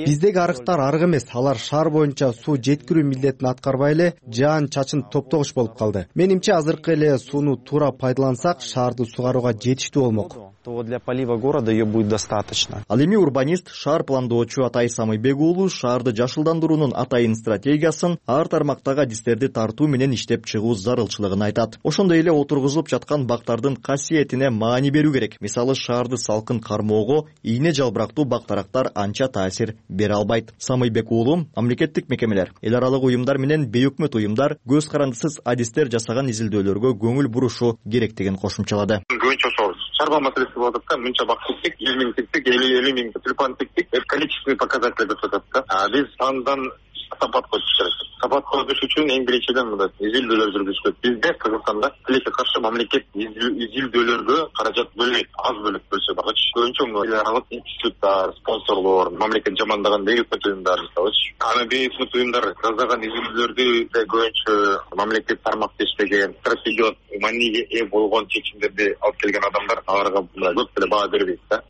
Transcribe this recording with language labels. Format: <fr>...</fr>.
<ky>биздеги арыктар арык эмес, алар шаар боюнча суу жеткирүү милдетин аткарбай эле жаан чачын топтогуч болуп калды. Менимче азыркы эле сууну туура пайдалансак шаарды сугарууга жетиштүү болмок.</ky> <ru>Для полива города ее будет достаточно.</ru> <ky>Ал эми урбанист, шаар пландоочу Атай Самыйбек уулу шаарды жашылдандыруунун атайын стратегиясын ар тармактагы адистерди тартуу менен иштеп чыгуу зарылчылыгын айтат. Ошондой эле отургузулуп жаткан бактардын касиетине маани берүү керек. Мисалы, шаарды салкын кармоого ийне жалбырактуу бактарактар анча таасир бере албайт. Самыйбек уулу, мамлекеттик мекемелер, эл аралык уюмдар менен бейөкмөт уюмдар көз карандысыз адистер жасаган изилдөөлөргө көңүл бурушу керектигин кошумчалады. Шарба маселеси болуп атат да, мынча бак тектик, 1000 тектик, 50 миң тюльпан тектик, количественный показатель деп атат да. Биз сандан сапат коюшубуз керек. Сапат коюш үчүн эң биринчиден изилдөөлөр жүргүзүш керек. Бизде Кыргызстанда тилекке каршы мамлекет изилдөөлөргө каражат бөлбөйт, аз бөлөт болсо багачы. Көбүнчө эл аралык институттар, спонсорлор, мамлекет жамандаган бейөкмөт уюмдар мисалычы. Аны бейөкмөт уюмдар жасаган изилдөөлөрдү көбүнчө мамлекет тармакта иштеген, стратегиялык маанилүү ээ болгон чечимдерди алып келген адамдар аларга көп эле баа бербейт да.</ky>